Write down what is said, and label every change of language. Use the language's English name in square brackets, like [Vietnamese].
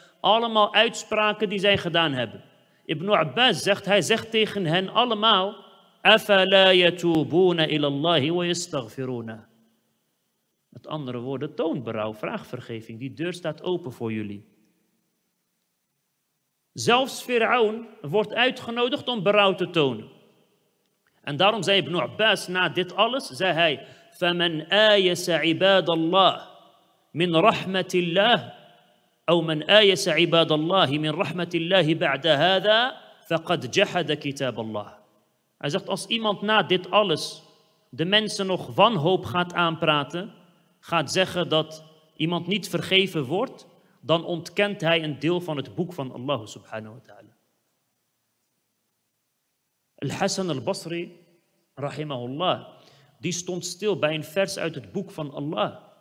[Dutch] Allemaal uitspraken die zij gedaan hebben. Ibn Abbas zegt, hij zegt tegen hen allemaal, [Arabic] أَفَلَا يَتُوبُونَ إِلَى اللَّهِ وَيَسْتَغْفِرُونَ. [Dutch] Met andere woorden, toon berouw, vraag vergeving. Die deur staat open voor jullie. Zelfs Firaun wordt uitgenodigd om berouw te tonen. En daarom zei Ibn Abbas na dit alles, zei hij, [Arabic] فَمَنْ آيَسَ عِبَادَ اللَّهِ مِنْ رَحْمَةِ اللَّهِ أَوْ مَنْ آيَسَ عِبَادَ اللَّهِ مِنْ رَحْمَةِ اللَّهِ بَعْدَ هَذَا فَقَدْ جَحَدَ كِتَابَ اللَّهِ. [Dutch] Hij zegt, als iemand na dit alles de mensen nog wanhoop gaat aanpraten, gaat zeggen dat iemand niet vergeven wordt, dan ontkent hij een deel van het boek van Allah subhanahu wa ta'ala. Al-Hasan al-Basri, rahimahullah, die stond stil bij een vers uit het boek van Allah.